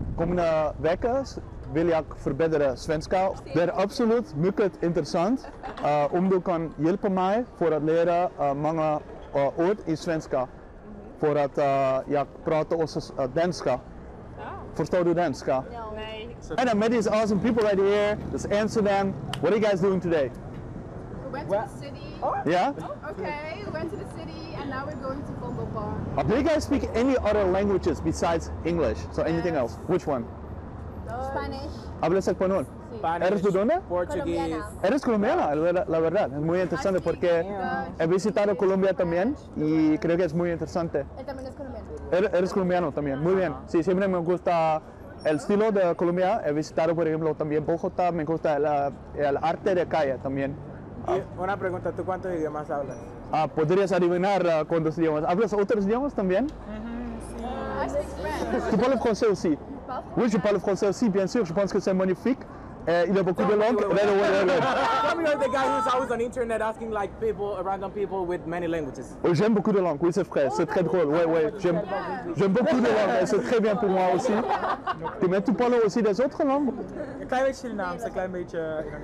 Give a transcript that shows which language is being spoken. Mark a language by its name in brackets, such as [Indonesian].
[Swedish] Kommande vecka vill jag förbättra svenska. Det är absolut mycket intressant. Om du kan hjälpa mig för att lära många ord i svenska. För att jag pratar också danska. Förstår du danska? [English] And I met these awesome people right here. Let's answer them. What are you guys doing today? We went to the city. Yeah? Okay, we went to the city and now we're going to Congo Bar. Do you guys speak any other languages besides English? So yes. Anything else? Which one? Spanish. [Spanish] ¿Hablas español? [English] Spanish. [Spanish] ¿Eres de dónde? [English] Portuguese. [Spanish] ¿Eres colombiana? La verdad, es muy interesante porque he visitado Colombia también y creo que es muy interesante. ¿Eres colombiano también? Muy bien. Sí, siempre me gusta... El estilo de Colombia, he visitado por ejemplo también Bogotá, me gusta el arte de calle también. Una pregunta, ¿tú cuántos idiomas hablas? ¿Podrías adivinar cuántos idiomas? ¿Hablas otros idiomas también? Sí. ¿Tú hablas francés? Sí. [French] Oui, je parle français aussi, bien sûr, je pense que c'est magnifique. Il y a beaucoup de langues. [English] Right away, right away. Tell me about the guy who's always on the internet asking like people, random people with many languages. [French] J'aime beaucoup de langues, oui, c'est vrai, c'est très drôle. Oui, oui, j'aime beaucoup de langues et c'est très bien pour moi aussi. Mais tu parles aussi des autres langues? Un petit peu de Suriname, c'est un petit peu indonésien.